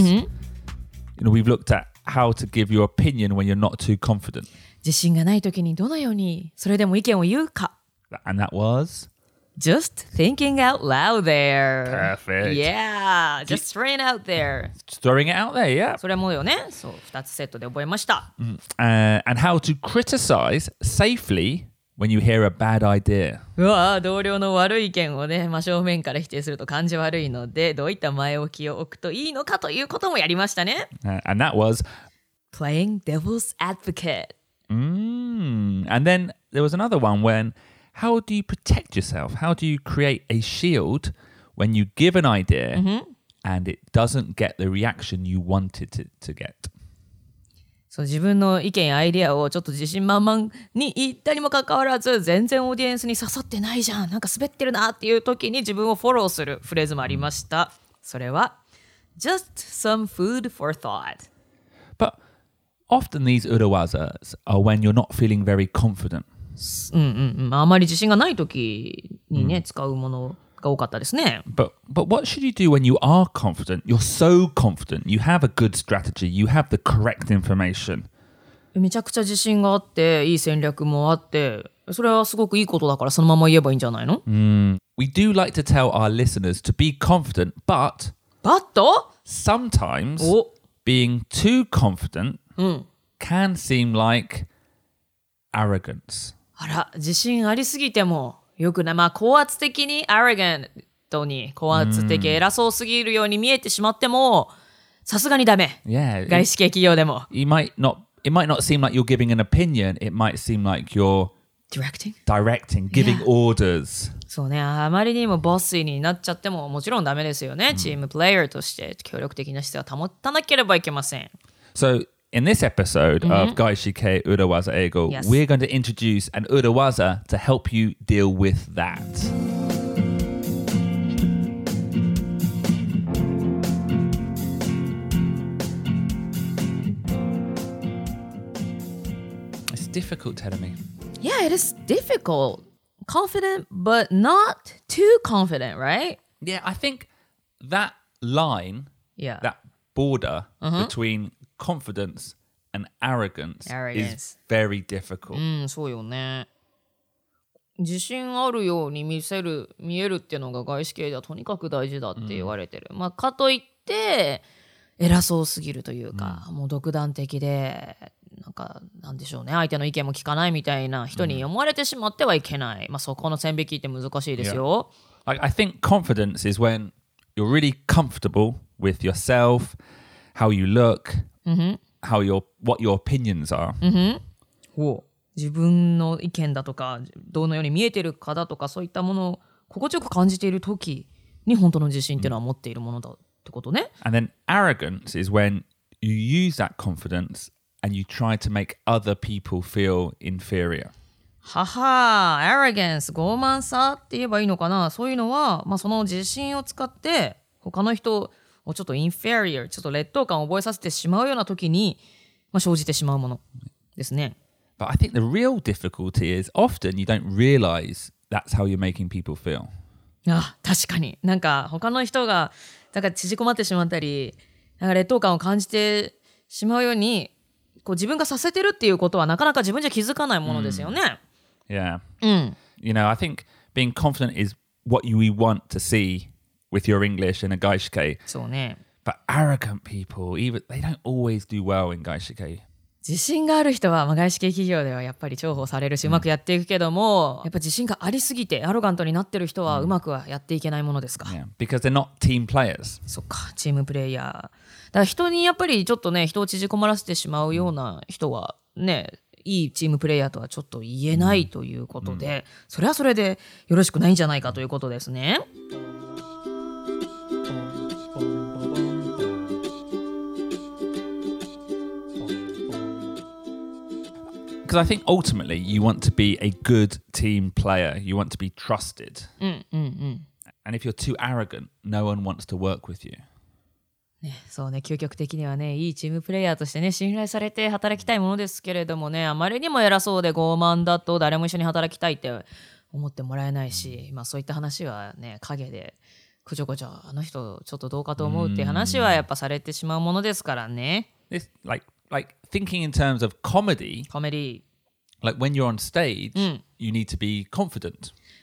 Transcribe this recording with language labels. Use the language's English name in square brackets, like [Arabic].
[English] You know, we've looked at how to give your opinion when you're not too confident. [Japanese] 自信がない時にどのようにそれでも意見を言うか。 [English] And that was? Just thinking out loud there. Perfect. Yeah, just throwing it out there. Throwing it out there, yeah. [Japanese] それもよね。そう、2つセットで覚えました。 [English] And how to criticize safely when you hear a bad idea. [Japanese] うわ、同僚の悪い意見をね、真正面から否定すると感じ悪いので、どういった前置きを置くといいのかということもやりましたね。 [English] And that was playing devil's advocate. And then there was another one when, how do you protect yourself? How do you create a shield when you give an idea and it doesn't get the reaction you wanted it to get? [Japanese] そう自分の意見やアイディアをちょっと自信満々に言ったにもかかわらず全然オーディエンスに刺さってないじゃんなんか滑ってるなっていう時に自分をフォローするフレーズもありましたそれは [English] Just some food for thought But often these urawazas are when you're not feeling very confident [Japanese] あまり自信がない時にね、使うものが多かったですね [English] But what should you do when you are confident? You're so confident. You have a good strategy. You have the correct information. [Japanese] めちゃくちゃ自信があって、いい戦略もあって、それはすごくいいことだから、そのまま言えばいいんじゃないの? [English] We do like to tell our listeners to be confident, but... But? Sometimes, being too confident can seem like arrogance. [Japanese] あら、自信ありすぎても、よくない。まあ、高圧的に arrogant... に高圧的偉そうすぎるように見えてしまってもさすがにダメ、 [English] yeah. [Japanese] 外資系企業でも [English] It might not seem like you're giving an opinion It might seem like you're Directing Giving、yeah. orders [Japanese] そうねあまりにもボスになっちゃってももちろんダメですよね、チームプレイヤーとして協力的な姿勢を保たなければいけません [English] So in this episode of 外資系ウラワザ英語、 yes. We're going to introduce an ウラワザ to help you deal with thatDifficult, Terumi. Yeah, it is difficult. Confident, but not too confident, right? Yeah, I think that line, yeah. that border between confidence and arrogance is very difficult. [Japanese] そうよね。自信あるように見えるっていうのが外資系ではとにかく大事だって言われてる。まあ、かといって偉そうすぎるというか、もう独断的で。なんかなんでしょうね相手の意見も聞かないみたいな人に思われてしまってはいけない、まあ、そこの線引きって難しいですよ、yeah. [English] I think confidence is when you're really comfortable with yourself how you look、how what your opinions are、 [Japanese] 自分の意見だとかどのように見えてるかだとかそういったものを心地よく感じている時に本当の自信っていうのは持っているものだってことね、 [English] And then arrogance is when you use that confidenceAnd you try to make other people feel inferior. [Japanese] Haha, arrogance, 傲慢さって言えばいいのかな。そういうのは、まあその自信を使って他の人をちょっと inferior、ちょっと劣等感を覚えさせてしまうような時に、まあ生じてしまうものですね。 [English] But I think the real difficulty is often you don't realize that's how you're making people feel. [Japanese] あ、確かに。なんか他の人がなんか縮こまってしまったり、なんか劣等感を感じてしまうように。こう自分がさせてるっていうことはなかなか自分じゃ気づかないものですよね。 [English] Yeah. You know, I think being confident is what we want to see with your English in a gaishike. [Japanese] そうね。 [English] But arrogant people, even they don't always do well in gaishike. [Japanese] 自信がある人は、まあ、外資系企業ではやっぱり重宝されるし、うまくやっていくけども、やっぱ自信がありすぎてアロガントになってる人はうまくはやっていけないものですか。 [English] Yeah. Because they're not team players. [Japanese] そうか、チームプレイヤー。だから人にやっぱりちょっとね人を縮こまらせてしまうような人はねいいチームプレイヤーとはちょっと言えないということで、うんうん、それはそれでよろしくないんじゃないかということですね。 [English] Because I think ultimately you want to be a good team player. You want to be trusted. And if you're too arrogant, no one wants to work with you. [Japanese] ね、そうね、究極的にはね、いいチームプレイヤーとしてね、信頼されて働きたいものですけれどもね、あまりにも偉そうで傲慢だと誰も一緒に働きたいって思ってもらえないし、まあそういった話はね、陰でこちょこちょ、あの人ちょっとどうかと思うっていう話はやっぱされてしまうものですからね。 [English] It's like thinking in terms of comedy. Comedy. Like when you're on stage,、うん、you need to be confident.